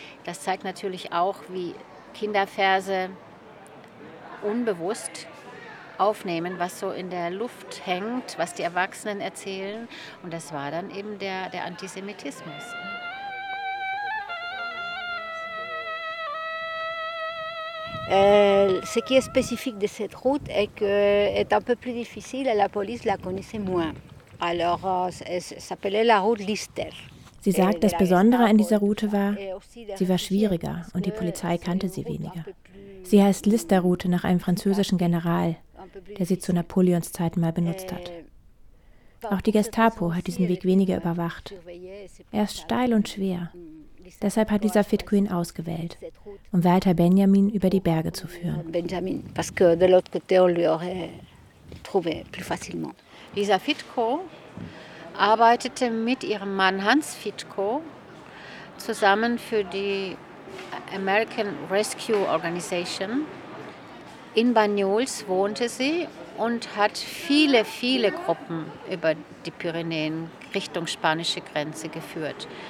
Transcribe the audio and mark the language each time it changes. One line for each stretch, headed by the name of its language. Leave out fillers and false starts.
German: Das zeigt natürlich auch, wie Kinderverse unbewusst aufnehmen, was so in der Luft hängt, was die Erwachsenen erzählen. Und das war dann eben der Antisemitismus.
French: Ce qui est spécifique de cette route est que est un peu plus difficile et la police la connaissait moins. Alors, elle s'appelait la route Lister.
German: Sie sagt, das Besondere an dieser Route war, sie war schwieriger und die Polizei kannte sie weniger. Sie heißt Lister-Route nach einem französischen General, der sie zu Napoleons Zeiten mal benutzt hat. Auch die Gestapo hat diesen Weg weniger überwacht. Er ist steil und schwer. Deshalb hat Lisa Fitquin ausgewählt, um Walter Benjamin über die Berge zu führen.
French: Benjamin, parce que de l'autre côté on lui aurait trouvé plus facilement.
German: Lisa Fitko arbeitete mit ihrem Mann Hans Fitko zusammen für die American Rescue Organization. In Banyuls wohnte sie und hat viele, viele Gruppen über die Pyrenäen Richtung spanische Grenze geführt.